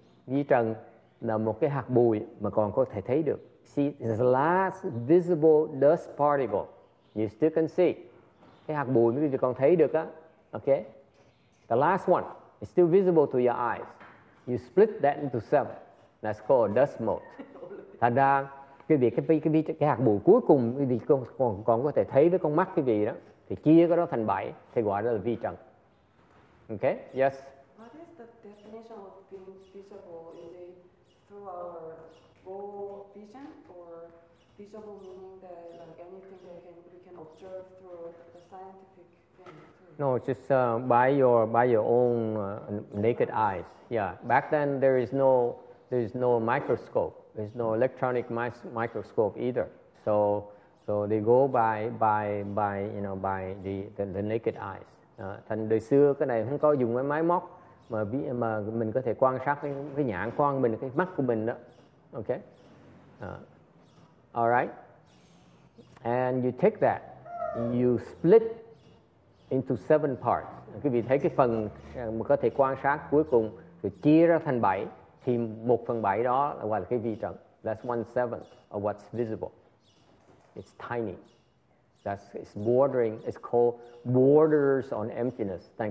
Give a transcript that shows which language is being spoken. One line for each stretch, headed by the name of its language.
Vietnamese: Vi trần là một cái hạt bụi mà còn có thể thấy được.
English: See, it's the last visible dust particle. You still can see.
Vietnamese: Cái hạt bụi mới còn thấy được á.
English: Okay? The last one is still visible to your eyes. You split that into seven. That's called a dust mote.
Vietnamese: Thành ra, cái hạt bụi cuối cùng quý vị còn có thể thấy với con mắt quý vị đó, thì chia cái đó thành bảy, thì gọi đó là vi trần.
English: Okay? Yes? What is the definition of being visible? Is it through our whole vision? Or visible meaning that like anything that we can observe through the scientific thing? No, it's just by your own naked eyes. Yeah. Back then, there is no microscope. There's no electronic microscope either. So they go by the naked eyes.
Vietnamese: Thành đời xưa cái này không có dùng cái máy móc mà mình có thể quan sát cái nhãn quan mình, cái mắt của mình đó.
English: Okay. All right. And you take that, you split into seven parts.
Vietnamese: Quý vị thấy cái phần mà có thể quan sát cuối cùng rồi chia ra thành bảy. Thì một phần bảy đó là gọi là cái vi trần.
English: That's one seventh of what's visible. It's tiny. It's bordering. It's called borders on emptiness.